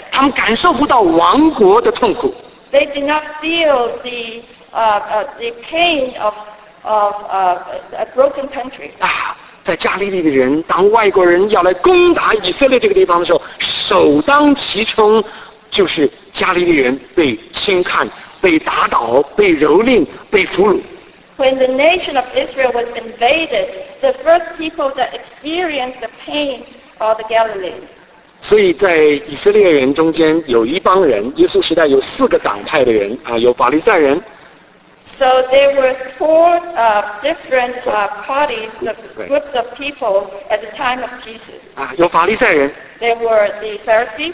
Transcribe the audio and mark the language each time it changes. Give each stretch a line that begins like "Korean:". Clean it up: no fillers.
Chinese: 他们感受不到王国的痛苦。
English: They did not feel the pain of a broken country.
Chinese: 啊，在加利利的人，当外国人要来攻打以色列这个地方的时候，首当其冲就是加利利人被轻看、被打倒、被蹂躏、被俘虏。
English: When the nation of Israel was invaded, the first people that experienced the pain are the Galileans.
Chinese: 所以在以色列人中间有一帮人，耶稣时代有四个党派的人啊，有法利赛人。
English: So there were four different parties, of groups of people at the time of Jesus.
Chinese: 啊，有法利赛人。
English: There were the Pharisees.